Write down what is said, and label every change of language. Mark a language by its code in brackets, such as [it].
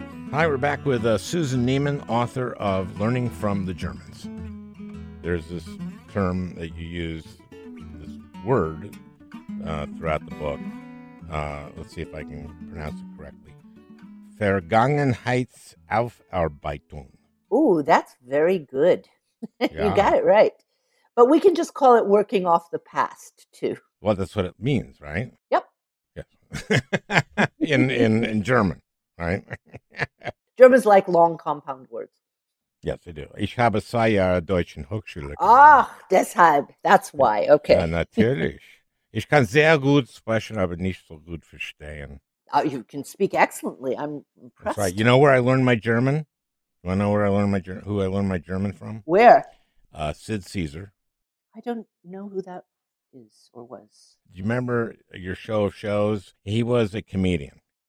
[en] Hi, we're back with Susan Neiman, author of Learning from the Germans. There's this term that you use, this word, throughout the book. Let's see if I can pronounce it correctly. Vergangenheitsaufarbeitung. Ooh, that's very good. Yeah. You got it right. But we can just call it working off the past, too. Well, that's what it means, right? Yep. Yeah. in German. Right. Germans like long compound words. Yes, they do. [de] Ich habe zwei Jahre Deutschen Hochschule. Ach, deshalb. [en] That's why. Okay. [de] Ja, natürlich. Ich kann sehr gut sprechen, aber nicht so gut verstehen. [en] You can speak excellently. I'm impressed. That's right. You know where I learned my German? You want to know where I learned my German? Who I learned my German from? Where? Sid Caesar. I don't know who that is or was. Do you remember your show of shows? He was a comedian.